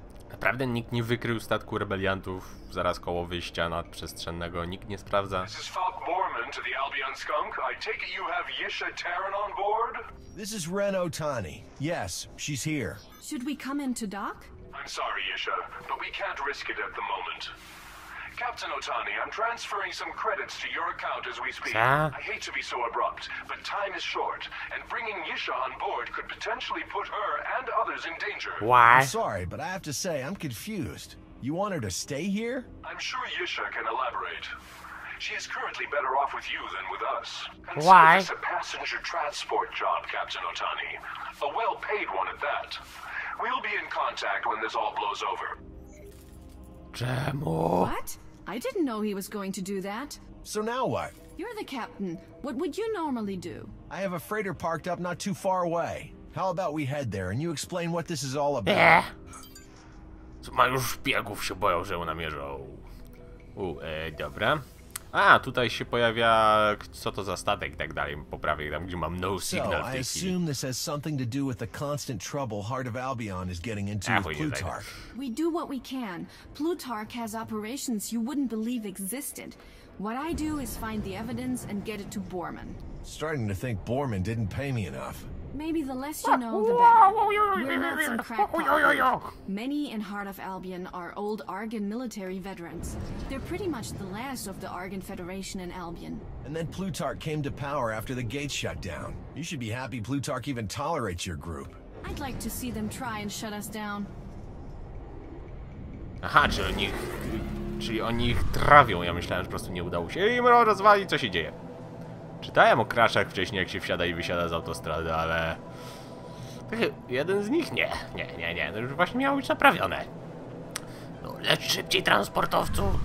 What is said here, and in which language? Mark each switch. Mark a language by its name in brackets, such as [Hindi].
[Polish] Naprawdę nikt nie wykrył statku rebeliantów zaraz koło wyjścia nadprzestrzennego. Nikt nie sprawdza. [English] This is Falk Borman to the Albion Skunk. I take it you have Yisha Terran on board? This is Ren Otani. Yes, she's here. Should we come in to dock? I'm sorry, Yisha, but we can't risk it at the moment. Captain Otani, I'm transferring some credits to your account as we speak. [Polish] Ta? [English] I hate to be so abrupt, but time is short, and bringing Yisha on board could potentially put her and others in danger. Why? I'm sorry, but I have to say, I'm confused. You want her to stay here? I'm sure Yisha can elaborate. She is currently better off with you than with us. And why? It's a passenger transport job, Captain Otani. A well-paid one at that. We'll be in contact when this all blows over. [Polish] Czemu? [English] What? I didn't know he was going to do that. So now what? You're the captain. What would you normally do? I have a freighter parked up not too far away. How about we head there and you explain what this is all about? [Polish] Co, ma już szpiegów się boją, że ją namierzą. Dobra. A, tutaj się pojawia, co to za statek i tak dalej, po prawej tam, gdzie mam [English] no signal [Polish] w tej chwili. [English] So, I assume this has something to do with the constant trouble Heart of Albion is getting into with Plutarch. We do what we can. Plutarch has operations you wouldn't believe existed. What I do is find the evidence and get it to Borman. Starting to think Borman didn't pay me enough. Maybe the less you know, the better. We're not some crackpot. Many in Heart of Albion are old Argon military veterans. They're pretty much the last of the Argon Federation in Albion. And then Plutarch came to power after the gates shut down. You should be happy Plutarch even tolerates your group. I'd like to see them try and shut us down. [Polish] Aha, czyli oni ich trawią. Ja myślałem, że po prostu nie udało się im rozwalić, co się dzieje. Czytałem o kraszach wcześniej, jak się wsiada i wysiada z autostrady, ale... Jeden z nich nie. Nie. To już właśnie miało być naprawione. No, leć szybciej, transportowcu!